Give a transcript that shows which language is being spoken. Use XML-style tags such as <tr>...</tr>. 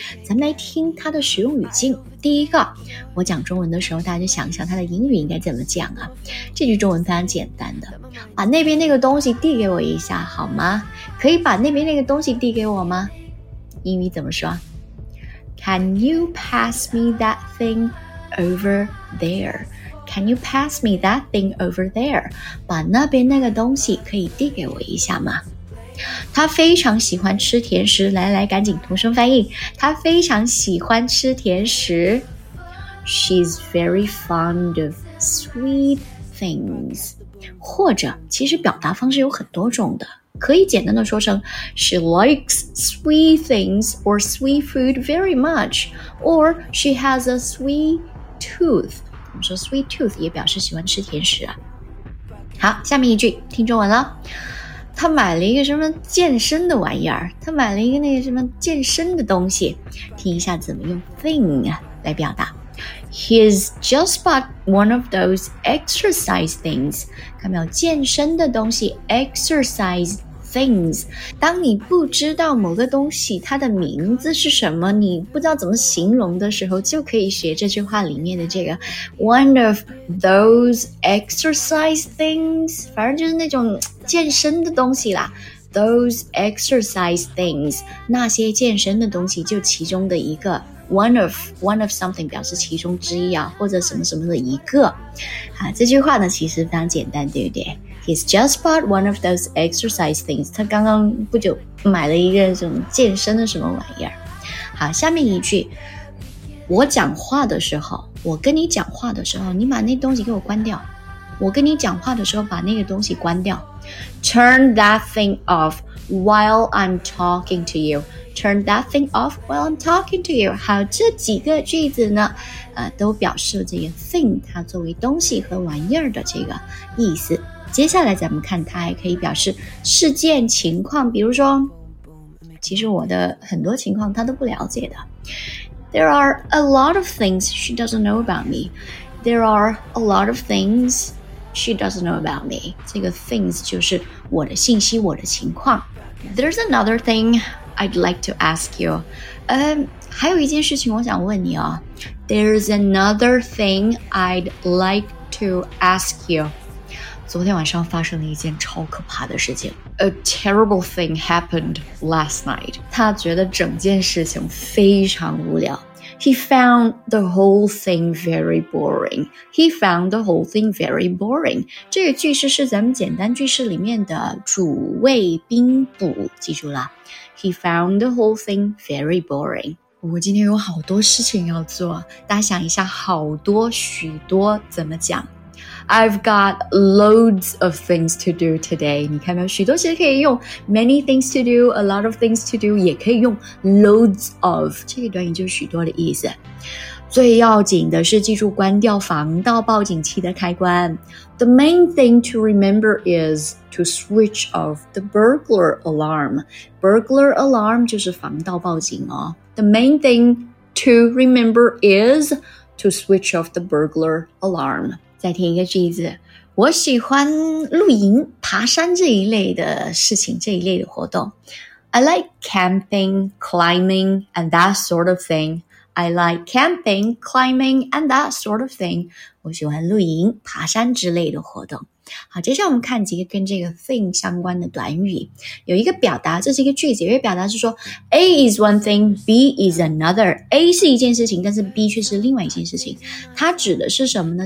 <zh>咱们来听它的使用语境。第一个，我讲中文的时候，大家就想想它的英语应该怎么讲啊。这句中文非常简单的，把那边那个东西递给我一下好吗？可以把那边那个东西递给我吗？英语怎么说？</zh> <en>Can you pass me that thing over there? Can you pass me that thing over there?</en> <zh>把那边那个东西可以递给我一下吗？他非常喜欢吃甜食，来来，赶紧同声翻译。他非常喜欢吃甜食。</zh> <en>She's very fond of sweet things.</en> <zh>或者，其实表达方式有很多种的，可以简单的说成</zh> <en>She likes sweet things or sweet food very much, or she has a sweet tooth.</en> <zh>我们说 sweet tooth 也表示喜欢吃甜食啊。好，下面一句，听中文了。他买了一个什么健身的玩意儿，他买了一个那个什么健身的东西，听一下怎么用 thing 来表达。</zh> <en>He's just bought one of those exercise things.</en> <zh>看没有，健身的东西</zh> <en>exercise things。</en> <zh>当你不知道某个东西它的名字是什么，你不知道怎么形容的时候，就可以学这句话里面的这个</zh> <en>one of those exercise things，</en> <zh>反正就是那种健身的东西啦。</zh> <en>those exercise things，</en> <zh>那些健身的东西就其中的一个。</zh> <en>one of something</en> <zh>表示其中之一啊，或者什么什么的一个啊。这句话呢其实非常简单，对不对？</zh> <en>He's just bought one of those exercise things.</en> <zh>他刚刚不久买了一个什么健身的什么玩意儿。好，下面一句，我讲话的时候，我跟你讲话的时候，你把那东西给我关掉。我跟你讲话的时候，把那个东西关掉。</zh> <en>Turn that thing off while I'm talking to you. Turn that thing off while I'm talking to you.</en> <zh>好，这几个句子呢，都表示这个 thing 它作为东西和玩意儿的这个意思。接下来咱们看它还可以表示事件情况，比如说其实我的很多情况他都不了解的。</zh> <en>There are a lot of things she doesn't know about me. There are a lot of things she doesn't know about me.</en> <zh>这个 things 就是我的信息，我的情况。</zh> <en>There's another thing I'd like to ask you.</en> <zh>还有一件事情我想问你哦。</zh> <en>There's another thing I'd like to ask you.</en> <zh>昨天晚上发生了一件超可怕的事情。</zh> <en>A terrible thing happened last night.</en> <zh>他觉得整件事情非常无聊。</zh> <en>He found the whole thing very boring. He found the whole thing very boring.</en> <zh>这个句式是咱们简单句式里面的主谓宾补，记住了。</zh> <en>He found the whole thing very boring.</en> <zh>我今天有好多事情要做，大家想一下，好多许多怎么讲？</zh> <en>I've got loads of things to do today.</en> <zh>你看没有，许多其实可以用</zh> <en>many things to do, a lot of things to do,</en> <zh>也可以用</zh> <en>loads of.</en> <zh>这一段也就是许多的意思。最要紧的是记住关掉防盗报警器的开关。</zh> <en>The main thing to remember is to switch off the burglar alarm. Burglar alarm</en> <zh>就是防盗报警哦。</zh> <en>The main thing to remember is to switch off the burglar alarm.</en> <zh>再听一个句子，我喜欢露营、爬山这一类的事情，这一类的活动。</zh> <en>I like camping, climbing, and that sort of thing. I like camping, climbing, and that sort of thing.</en> <zh>我喜欢露营、爬山之类的活动。好，接下来我们看几个跟这个 thing 相关的短语。有一个表达，这是一个句子，有一个表达是说</zh> <en>A is one thing, B is another.</en> <zh>A 是一件事情，但是 B 却是另外一件事情。它指的是什么呢？</zh>